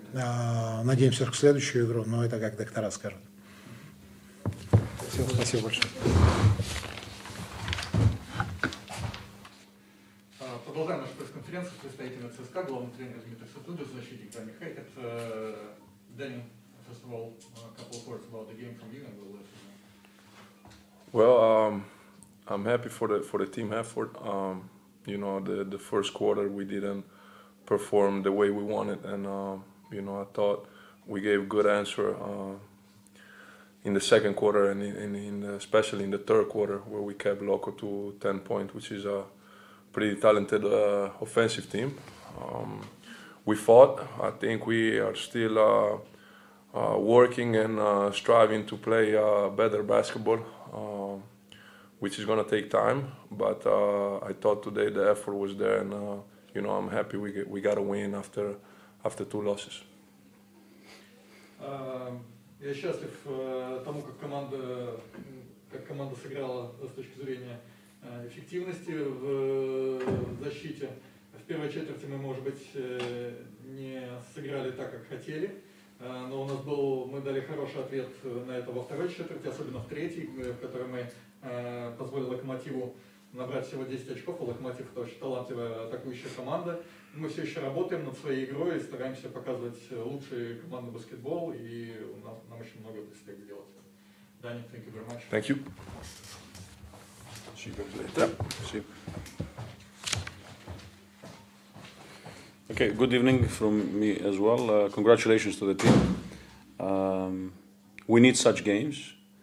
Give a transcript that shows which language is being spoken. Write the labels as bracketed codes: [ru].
[ru] играть? Надеемся, что в следующую игру, но это как доктора скажут. Спасибо, спасибо большое. Продолжаем нашу пресс-конференцию с представителем ЦСКА, главным тренером Дмитрием Сатудой, защитником Дани Хейкет. [en] Дани, first of all, a couple of words about the game from you, and we'll listen. Well, I'm happy for the team effort. You know, the first quarter we didn't perform the way we wanted, and you know, I thought we gave good answer in the second quarter, and especially in the third quarter, where we kept Loco to 10 points, which is a pretty talented offensive team. We fought. I think we are still working and striving to play better basketball, which is going to take time. But I thought today the effort was there, and you know, I'm happy we got a win after two losses. [ru] Я счастлив тому, как команда сыграла с точки зрения эффективности в защите. В первой четверти мы, может быть, не сыграли так, как хотели, но у нас был, мы дали хороший ответ на это во второй четверти, особенно в третьей, в которой мы позволили Локомотиву набрать всего 10 очков, а Локомотив — это очень талантливая атакующая команда. Мы все еще работаем над своей игрой и стараемся показывать лучшую команду баскетбол, и у нас, нам еще много предстоит сделать. [en] Даня, thank you very much. Thank you. Okay, good evening from me as well. Congratulations to the team. We need such games.